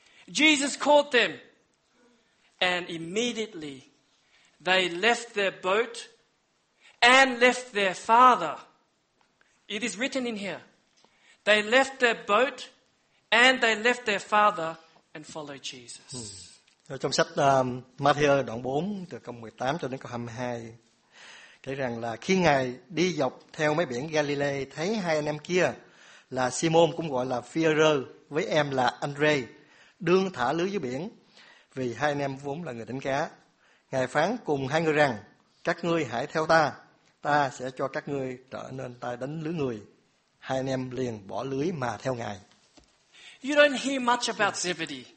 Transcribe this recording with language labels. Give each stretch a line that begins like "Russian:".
English: Jesus caught them. And immediately they left their boat and left their father. It is written in here. They left their boat and they left their father and followed Jesus.
Vietnamese: Trong sách Matthew đoạn 4 từ câu 18 cho đến câu 22 kể rằng là khi Ngài đi dọc theo mấy biển Galilee thấy hai anh em kia là Simon cũng gọi là Phêrô với em là Andrê đương thả lưới dưới biển. Vì hai anh em vốn là người đánh cá. Ngài phán cùng hai người rằng, các ngươi hãy theo ta, ta sẽ cho các ngươi trở nên tay đánh lưới người. Hai anh em liền bỏ lưới mà theo Ngài.
English: You don't hear much about Zebedee.